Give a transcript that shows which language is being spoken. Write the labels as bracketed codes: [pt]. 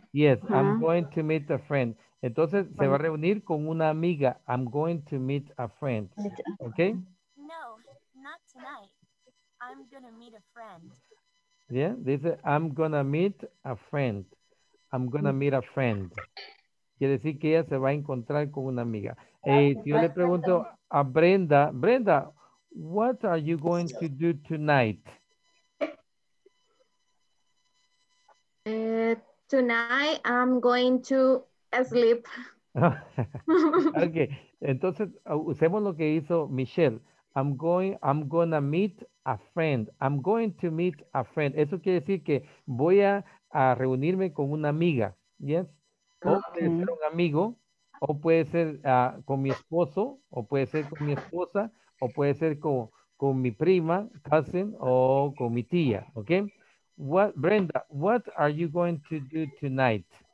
[en] Yes, uh-huh. I'm going to meet a friend. [es] Entonces, se va a reunir con una amiga. [en] I'm going to meet a friend. Okay? No, not tonight. I'm going to meet a friend. Yeah, [es] dice, [en] I'm going to meet a friend. I'm going to meet a friend. [es] Quiere decir que ella se va a encontrar con una amiga. Si yo le pregunto a [en] Brenda, Brenda, what are you going to do tonight? Tonight I'm going to sleep. [es] Okay, entonces usemos lo que hizo Michelle. [en] I'm gonna meet a friend. I'm going to meet a friend. [es] Eso quiere decir que voy a reunirme con una amiga. [en] Yes. [es] Okay. O puede ser un amigo, o puede ser con mi esposo, o puede ser con mi esposa, o puede ser con mi prima, cousin, o con mi tía. [en] Okay. What, Brenda, what are you going to do tonight?